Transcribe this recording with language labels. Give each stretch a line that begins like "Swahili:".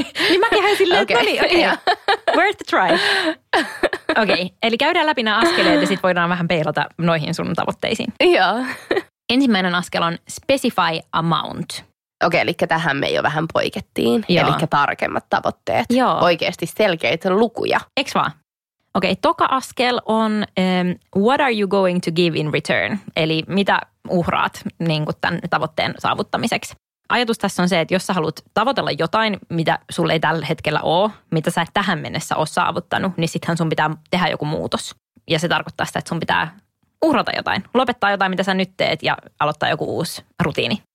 Finnish: Niin mäkin hän silleen, että
English: worth a try.
Finnish: Okei, eli käydään läpi nämä askeleet ja sitten voidaan vähän peilata noihin sun tavoitteisiin. Joo. Ensimmäinen askel on
English: specify amount.
Finnish: Okei, eli tähän me jo vähän poikettiin. Eli tarkemmat tavoitteet. Joo. Oikeasti selkeitä lukuja. Eks vaan? Okei, toka askel on
English: what are you going to give in return?
Finnish: Eli mitä uhraat niin kuin tämän tavoitteen saavuttamiseksi? Ajatus tässä on se, että jos sä haluat tavoitella jotain, mitä sulle ei tällä hetkellä ole, mitä sä et tähän mennessä ole saavuttanut, niin sittenhän sun pitää tehdä joku muutos. Ja se tarkoittaa sitä, että sun pitää uhrata jotain, lopettaa jotain, mitä sä nyt teet ja aloittaa joku uusi rutiini.